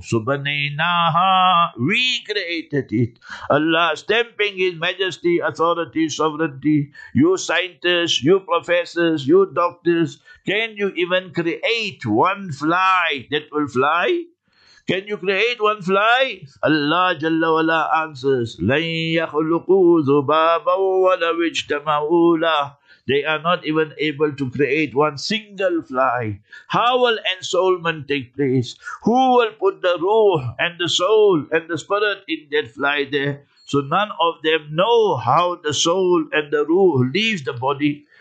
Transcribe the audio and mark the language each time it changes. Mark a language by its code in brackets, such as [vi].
[en] Subhanaha, we created it. Allah stamping His majesty, authority, sovereignty. You scientists, you professors, you doctors, can you even create one fly that will fly? Can you create one fly? [ar] Allah Jalla Wala answers, لَنْ يَخْلُقُوا ذُبَابًا وَلَوْ اجْتَمَعُوا لَهُ. [en] They are not even able to create one single fly. How will ensoulment take place? Who will put the ruh and the soul and the spirit in that fly there? So none of them know how the soul and the ruh leaves the body.